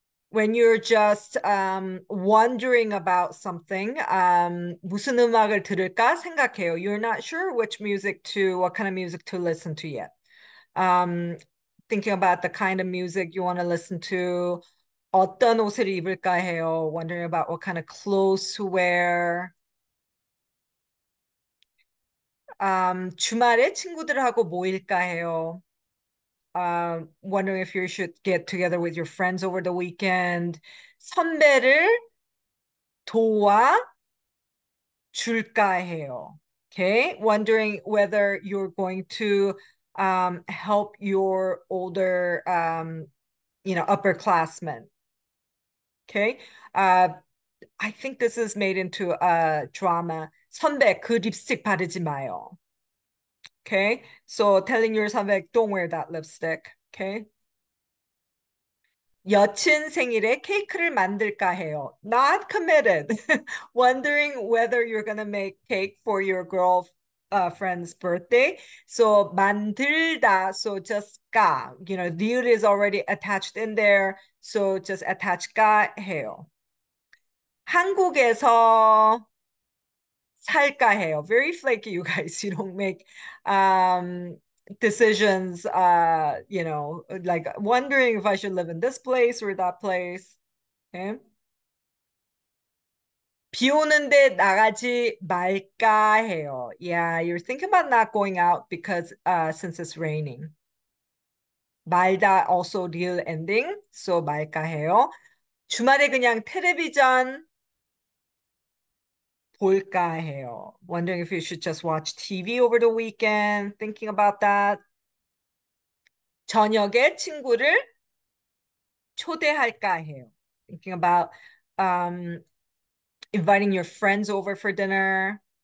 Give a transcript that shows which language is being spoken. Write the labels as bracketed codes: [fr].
[en] When you're just wondering about something, [ko] 무슨 음악을 들을까 생각해요. [en] You're not sure which music to, what kind of music to listen to yet. Thinking about the kind of music you want to listen to, [ko] 어떤 옷을 입을까 해요. [en] Wondering about what kind of clothes to wear. [ko] 주말에 친구들하고 모일까 해요. [en] Wondering if you should get together with your friends over the weekend. [ko] 선배를 도와 줄까 해요. [en] Okay, wondering whether you're going to help your older, upperclassmen. Okay, I think this is made into a drama. [ko] 선배, 그 립스틱 바르지 마요. [en] Okay, so telling yourself, like, don't wear that lipstick. Okay. [ko] 여친 생일에 케이크를 만들까 해요. [en] Not committed. Wondering whether you're going to make cake for your girl friend's birthday. So 만들다, so just 까. You know, 니을 is already attached in there. So just attach [ko] 까 해요. 한국에서 살까 해요. [en] Very flaky, you guys. You don't make decisions, like wondering if I should live in this place or that place. Okay. [ko] 비 오는데 나가지 말까 해요. [en] Yeah, you're thinking about not going out because since it's raining. 말다 also real ending, so 말까 해요. [ko] 주말에 그냥 텔레비전 볼까 해요. [en] Wondering if you should just watch TV over the weekend, thinking about that. [ko] 저녁에 친구를 초대할까 해요. [en] Thinking about inviting your friends over for dinner.